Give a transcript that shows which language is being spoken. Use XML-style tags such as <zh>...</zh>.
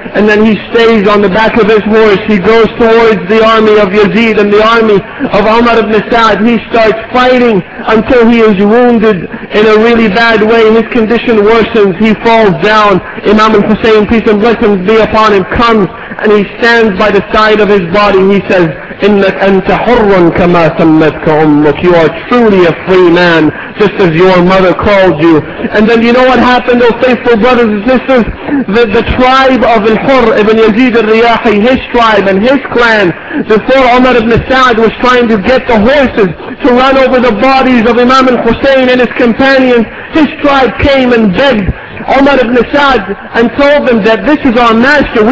<en>and then he stays on the back of his horse. He goes towards the army of Yazid and the army of Umar ibn Sa'd. He starts fighting until he is wounded in a really bad way. His condition worsens. He falls down. Imam al-Husayn, peace and blessings be upon him, comes and he stands by the side of his body.</en> <ar>He says, إِنَّكْ أَنْتَ حُرٌّ كَمَا سَمَّتْكَ أُمَّكْ.</ar> <en>You are truly a free man, just as your mother called you. And then you know what happened, O faithful brothers and sisters? The tribe of Al-Hur ibn Yazid al-Riyahi, his tribe and his clan, before Umar ibn Sa'd was trying to get the horses to run over the bodies of Imam al-Husayn and his companions, his tribe came and begged Umar ibn Sa'd and told them that this is our master.</en>